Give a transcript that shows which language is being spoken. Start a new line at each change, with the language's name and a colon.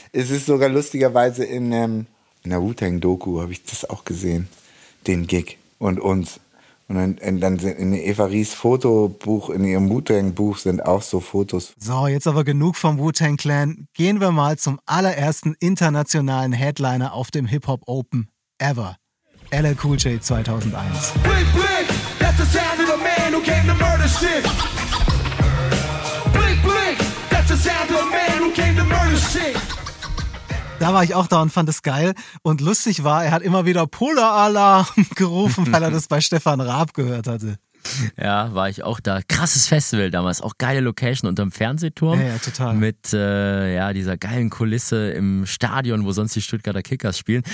German: Es ist sogar lustigerweise in der Wu-Tang-Doku habe ich das auch gesehen, den Gig und uns. Und dann sind in Eva Ries Fotobuch, in ihrem Wu-Tang-Buch sind auch so Fotos. So, jetzt aber genug vom Wu-Tang-Clan. Gehen wir mal zum allerersten internationalen Headliner auf dem Hip-Hop Open ever. LL Cool J 2001.
English: Blink, blink, that's the sound of the man who came to murder shit. Blink, blink, that's the sound of the man who came to murder shit.
German: Da war ich auch da und fand es geil. Und lustig war, er hat immer wieder Polar-Alarm gerufen, weil er das bei Stefan Raab gehört hatte. Ja, war ich auch da. Krasses Festival damals. Auch geile Location unterm Fernsehturm. Ja, ja, total. Mit dieser geilen Kulisse im Stadion, wo sonst die Stuttgarter Kickers spielen.